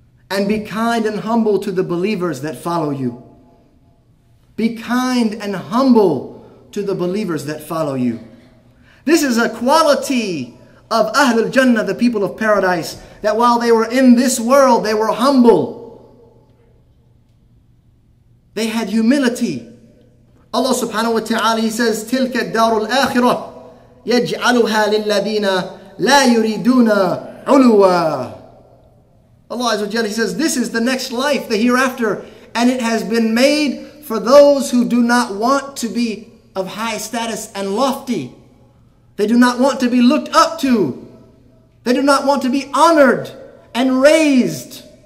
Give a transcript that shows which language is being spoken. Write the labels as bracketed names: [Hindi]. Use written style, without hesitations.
[English] And be kind and humble to the believers that follow you. Be kind and humble to the believers that follow you. This is a quality of Ahlul Jannah, the people of paradise, that while they were in this world, they were humble. They had humility. Allah subhanahu wa ta'ala, he says, [Arabic] تِلْكَ الدَّارُ الْآخِرَةِ يَجْعَلُهَا لِلَّذِينَ لَا يُرِيدُونَ عُلُوًا. [English] Allah Azza wa Jalla, he says, this is the next life, the hereafter, and it has been made for those who do not want to be of high status and lofty. They do not want to be looked up to. They do not want to be honored and raised.